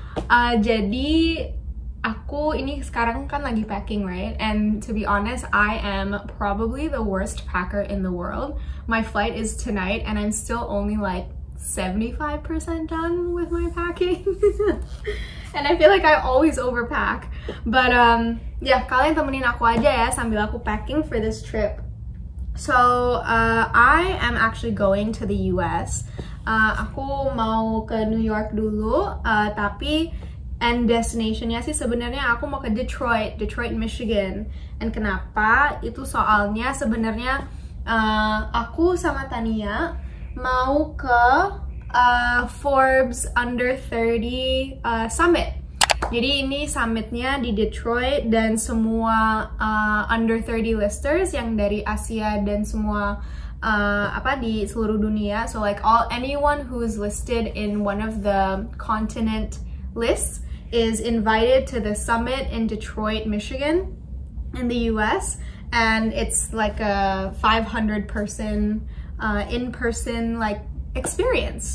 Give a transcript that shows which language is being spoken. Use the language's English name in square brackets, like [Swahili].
[Indonesian] Jadi aku ini sekarang kan lagi packing, right? [English] And to be honest, I am probably the worst packer in the world. My flight is tonight and I'm still only like 75% done with my packing. And I feel like I always overpack. But yeah, [Indonesian] kalian temenin aku aja ya sambil aku packing [English] for this trip. So I am actually going to the US. [Indonesian] Aku mau ke New York dulu, tapi end destinationnya sih sebenarnya aku mau ke Detroit, Michigan. And kenapa? Itu soalnya sebenarnya aku sama Tania mau ke Forbes Under 30 Summit. Jadi ini summitnya di Detroit dan semua Under 30 listers yang dari Asia dan semua di seluruh dunia. [English] So like all anyone who's listed in one of the continent lists is invited to the summit in Detroit, Michigan in the US, and it's like a 500 person in-person like experience.